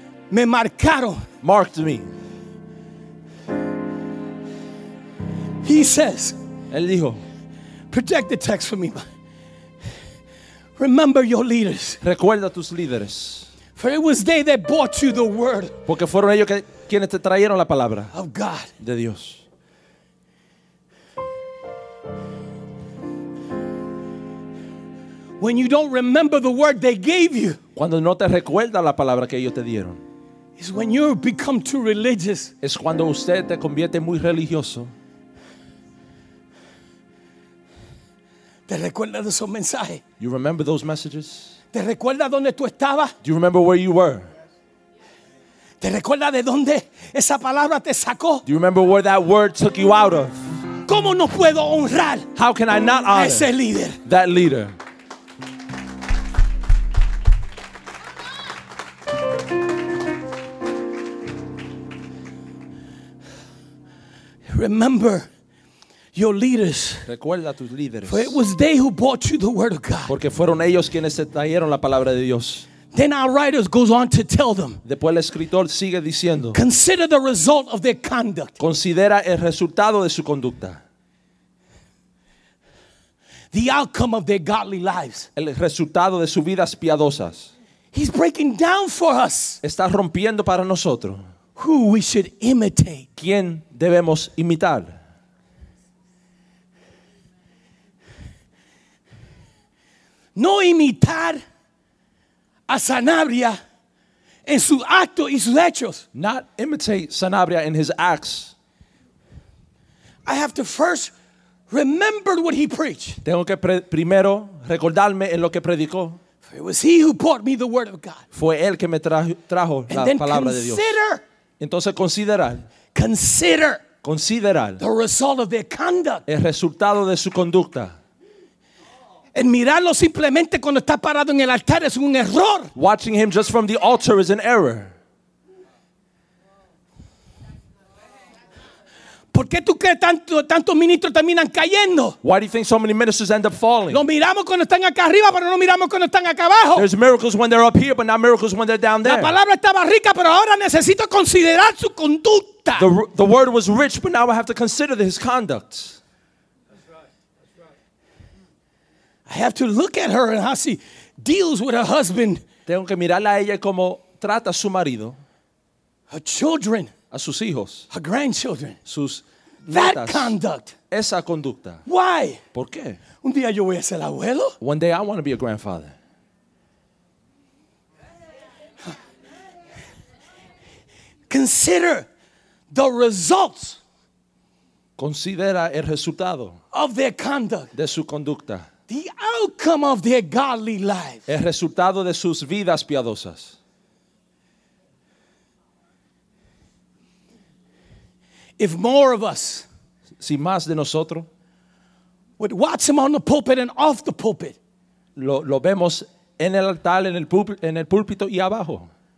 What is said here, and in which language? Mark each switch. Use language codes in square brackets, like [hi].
[es] Me marcaron. [en] Marked me. He says. [es] Él dijo. [en] Protect the text for me. Remember your leaders. [es] Recuerda tus líderes. [en] For it was they that brought you the word. [es] Porque fueron ellos quienes te trajeron la palabra. [en] Of God. [es] De Dios. [en] When you don't remember the word they gave you. [es] Cuando no te recuerda la palabra que ellos te dieron. [en] Is when you become too religious. [es] Es cuando usted te convierte muy religioso. ¿Te recuerdas de esos mensajes? [en] You remember those messages? [es] ¿Te recuerdas dónde tú estabas? [en] Do you remember where you were? [es] ¿Te recuerdas de dónde esa palabra te sacó? [en] Do you remember where that word took you out of? [es] ¿Cómo no puedo honrar? [en] How can I not honor [es] ese líder? [en] That leader. Remember your leaders. [es] Recuerda tus líderes. [en] For it was they who brought you the word of God. [es] Porque fueron ellos quienes te trajeron la palabra de Dios. [en] Then our writer goes on to tell them. [es] Después el escritor sigue diciendo. [en] Consider the result of their conduct. [es] Considera el resultado de su conducta. [en] The outcome of their godly lives. [es] El resultado de sus vidas piadosas. [en] He's breaking down for us. [es] Está rompiendo para nosotros. [en] Who we should imitate. [es] ¿Quién debemos imitar? No imitar a Sanabria en su acto y sus hechos. [en] Not imitate Sanabria in his acts. I have to first remember what he preached. [es] Tengo que primero recordarme en lo que predicó. [en] For it was he who brought me the word of God. [es] Fue él que me trajo la palabra de Dios. [en] And then consider. [es] Entonces considerar. [en] Consider. [es] Considerar. [en] The result of their conduct. [es] El resultado de su conducta. En mirarlo simplemente cuando está parado en el altar es un error. [en] Watching him just from the altar is an error. [es] ¿Por qué tú crees tantos ministros terminan cayendo? [en] Why do you think so many ministers end up falling? [es] Lo miramos cuando están acá arriba, pero no miramos cuando están acá abajo. [en] There's miracles when they're up here, but not miracles when they're down there. [es] La palabra estaba rica, pero ahora necesito considerar su conducta. [en] The word was rich, but now I have to consider his conduct. I have to look at her and how she deals with her husband. [es] Tengo que mirarla a ella como trata a su marido. [en] Her children. [es] A sus hijos. [en] Her grandchildren. [es] Sus [en] that [es] nietas. [en] Conduct. [es] Esa conducta. [en] Why? [es] ¿Por qué? Un día yo voy a ser abuelo. [en] One day I want to be a grandfather. Consider the results. [es] Considera el resultado. [en] Of their conduct. [es] De su conducta. [en] The outcome of their godly lives. [es] El resultado de sus vidas piadosas. [en] If more of us. [es] Si más de nosotros. [en] Would watch him on the pulpit and off the pulpit. [es] Lo vemos en el altar, en el púlpito y abajo.